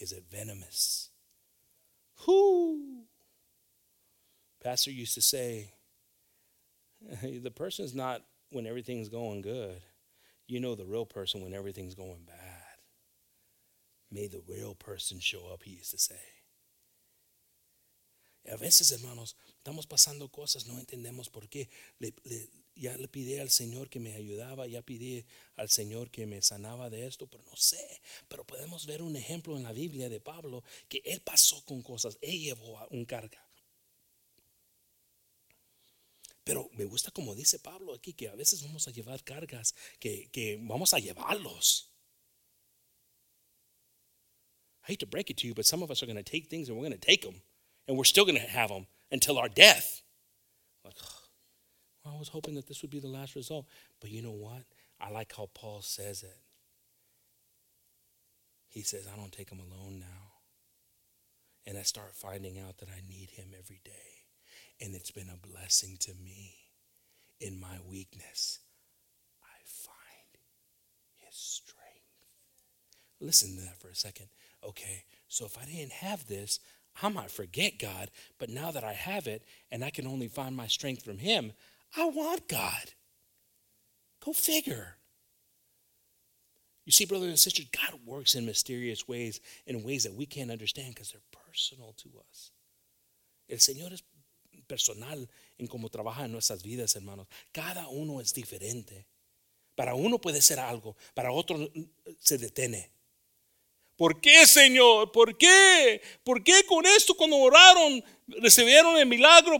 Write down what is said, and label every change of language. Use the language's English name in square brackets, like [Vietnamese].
[English] Is it venomous? Who? Pastor used to say, the person's not when everything's going good. You know the real person when everything's going bad. May the real person show up, he used to say. [Spanish] A veces, hermanos, estamos pasando cosas, no entendemos por qué. Ya le pide al Señor que me ayudaba, ya pide al Señor que me sanaba de esto, pero no sé. Pero podemos ver un ejemplo en la Biblia de Pablo, que él pasó con cosas, él llevó un carga. Pero me gusta como dice Pablo aquí, que a veces vamos a llevar cargas, que vamos a llevarlos. [English] I hate to break it to you, but some of us are going to take things and we're going to take them. And we're still going to have them until our death. Well, I was hoping that this would be the last result. But you know what? I like how Paul says it. He says, I don't take him alone now. And I start finding out that I need him every day. And it's been a blessing to me. In my weakness, I find his strength. Listen to that for a second. Okay, so if I didn't have this, I might forget God, but now that I have it and I can only find my strength from him, I want God. Go figure. You see, brothers and sisters, God works in mysterious ways, in ways that we can't understand because they're personal to us. [Spanish] El Señor es personal en cómo trabaja en nuestras vidas, hermanos. Cada uno es diferente. Para uno puede ser algo, para otro se detiene. ¿Por qué, Señor? ¿Por qué? ¿Por qué con esto cuando oraron recibieron el milagro?